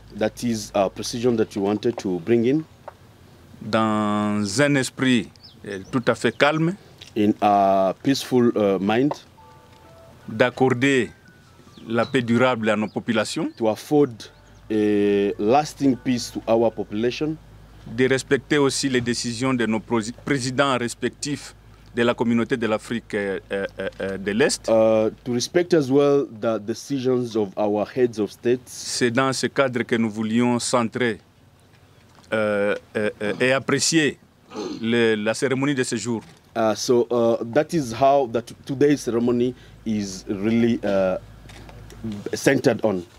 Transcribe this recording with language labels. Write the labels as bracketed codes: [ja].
[en] That is a precision that you wanted to bring in. [fr] Dans un esprit tout à fait calme. [en] In a peaceful mind. [fr] D'accorder la paix durable à nos populations. [en] To afford a lasting peace to our population. [fr] De respecter aussi les décisions de nos présidents respectifs de la communauté de l'Afrique de l'Est. [en] To respect as well the decisions of our heads of states. [fr] C'est dans ce cadre que nous voulions centrer et apprécier la cérémonie de ce jour. [en] That is how that today's ceremony is really centered on.